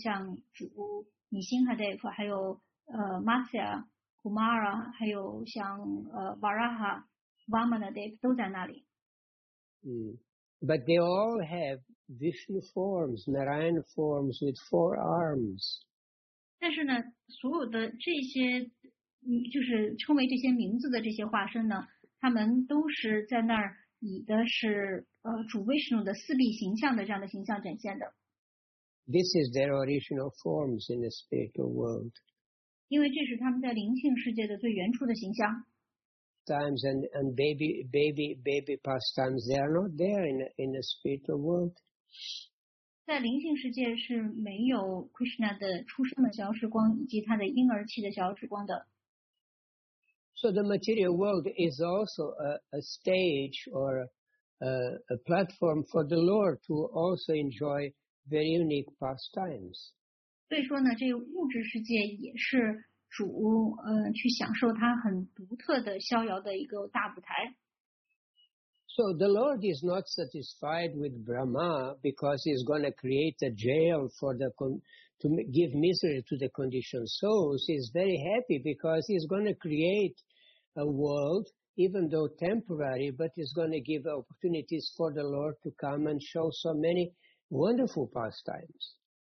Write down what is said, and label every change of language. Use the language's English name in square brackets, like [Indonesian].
[Chinese] 但是呢，我们知道在灵性世界呢是有很多很多的百昆特的星宿的。那么在众百昆特的星宿的中间呢，是一朵绽放着美丽的莲花形象的格鲁卡文达文的星宿。那这是占很大的一个地方。那么在所有的这些百昆特的星宿里面呢，其实我们是可以看到有这个主的各种各样的化身在那里的，比如说像主米辛哈德夫，还有 Matsya, Kumara, Varaha, Vamana Dev都在那里。 [English] But they all have Vishnu forms, Narayana forms with four arms. [Chinese] 但是呢，所有的这些就是称为这些名字的这些化身呢，他们都是在那儿以的是主 Vishnu 的四臂形象的这样的形象展现的。 [English] This is their original forms in the spiritual world. [Chinese] 因为这是他们在灵性世界的最原初的形象。 [English] pastimes and baby pastimes, they are not there in the spiritual world. [Chinese] 在灵性世界是没有 Krishna 的出生的小时光以及他的婴儿期的小时光的。 [English] So the material world is also a stage or a platform for the Lord to also enjoy very unique pastimes. [Chinese] 所以说呢，这物质世界也是主去享受他很独特的逍遥的一个大舞台。 [English] So the Lord is not satisfied with Brahma because he's going to create a jail for the to give misery to the conditioned souls. He's very happy because he's going to create a world, even though temporary, but he's going to give opportunities for the Lord to come and show so many wonderful pastimes.